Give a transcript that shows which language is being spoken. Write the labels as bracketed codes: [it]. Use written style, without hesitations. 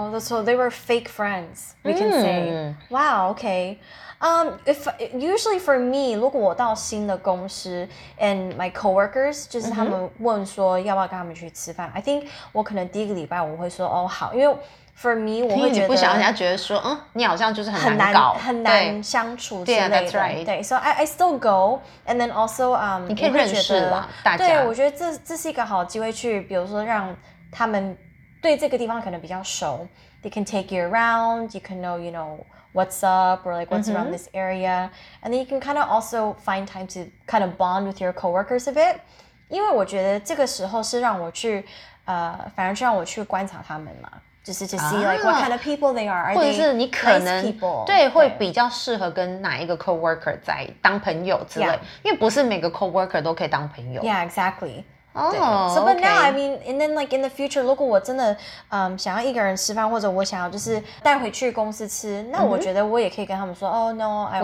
[en] oh, so they were fake friends we can say、嗯、wow ok、if, usually for me [zh] 如果我到新的公司 [en] and my coworkers [zh] 就是他们问说要不要跟他们去吃饭、 [en] 嗯、I think [zh] 我可能第一个礼拜我会说哦好，因为 [en] For me, [zh] 我会觉得你不想人家觉得说，嗯，你好像就是很难搞，很难相处之类的。对, [en] yeah, that's right. [zh] 对 [en] ，so I still go, and then also, [zh] 你可以认识啦，大家。对，我觉得这是一个好机会去，比如说让他们对这个地方可能比较熟 ， [en] they can take you around, you can know, you know. What's up, or like what's、mm-hmm. around this area, and then you can kind of also find time to kind of bond with your coworkers a bit. [zh] 因为我觉得这个时候是让我去，反而是让我去观察他们嘛。 [en] Just to see like what kind of people they are, [zh] 或者是你可能、 [en] nice、people, [zh] 对会比较适合跟哪一个 coworker 在当朋友之类， [en] yeah. [zh] 因为不是每个 coworker 都可以当朋友。 [en] Yeah, exactly. Oh, so but、 okay. now I mean, and then like in the future, [zh] 如果我真的想要一个人吃饭，或者我想要就是带回去公司吃，那我觉得我也可以跟他们说， mm-hmm. [en] Oh no, I